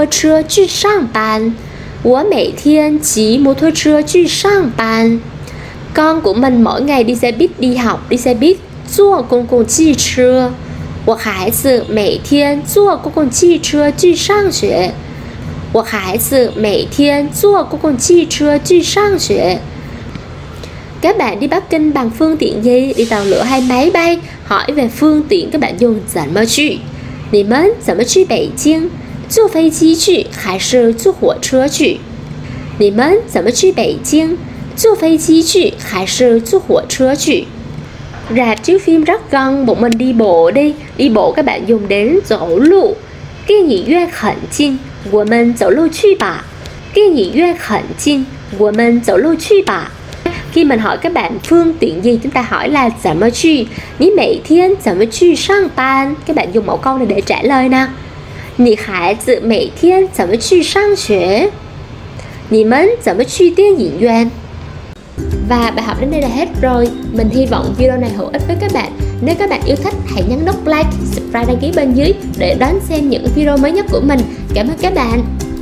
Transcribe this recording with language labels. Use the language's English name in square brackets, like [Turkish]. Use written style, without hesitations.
[Chinese] 我每天骑摩托车去上班.我每天骑摩托车去上班. [Vietnamese] Con của mình mỗi ngày đi xe buýt đi học, đi xe buýt. [Chinese] 坐公共汽车. 我孩子每天坐公共汽车去上学. 我孩子每天坐公共汽车去上学. [Vietnamese] Các bạn đi Bắc Kinh bằng phương tiện gì? Đi tàu lửa hay máy bay? Hỏi về phương tiện các bạn dùng 怎么去. [Chinese] 你们怎么去北京?坐飞机去还是坐火车去? 你们怎么去北京?坐飞机去还是坐火车去? [Vietnamese] Rạp chiếu phim rất gần, bọn mình đi bộ đi. Đi bộ các bạn dùng đến 走路. [Chinese] 电影院很近, 我们走路去吧.电影院很近, 我们走路去吧. [Vietnamese] Khi mình hỏi các bạn phương tiện gì, chúng ta hỏi là 怎么去? [Chinese] 你每天怎么去上班? [Vietnamese] Các bạn dùng mẫu câu này để trả lời nào. [Chinese] 你孩子每天怎么去上学? 你们怎么去电影院? [Vietnamese] Và bài học đến đây là hết rồi. Mình hy vọng video này hữu ích với các bạn. Nếu các bạn yêu thích, hãy nhấn nút like, subscribe đăng ký bên dưới để đón xem những video mới nhất của mình. Cảm ơn các bạn.